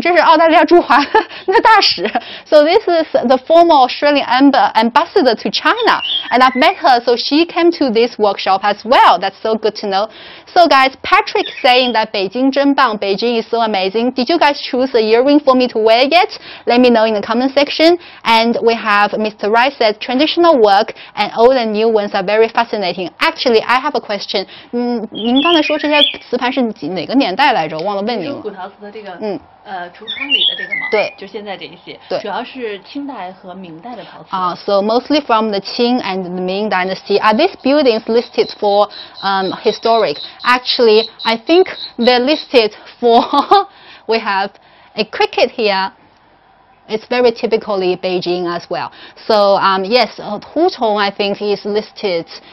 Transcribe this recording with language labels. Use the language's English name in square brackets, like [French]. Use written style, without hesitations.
[Chinese] 这是澳大利亚驻华那大使。 [English] So this is the former Australian ambassador to China. And I've met her, so she came to this workshop as well. That's so good to know. So guys, Patrick saying that Beijing [Chinese] 真棒 [English] Beijing is so amazing. Did you guys choose a earring for me to wear yet? Let me know in the comment section. And we have Mr. Rice said traditional work and old and new ones are very fascinating. Actually, I have a question. [Chinese] 您刚才说这些词牌是哪个年代来着？忘了问您了。就古陶瓷的这个，橱窗里的这个吗？对，就现在这一些。对，主要是清代和明代的陶瓷。 [English] So mostly from the Qing and the Ming Dynasty. Are these buildings listed for historic? Actually, I think they're listed for. We have a cricket here. It's very typically Beijing as well. So, yes, hutong, I think, is listed.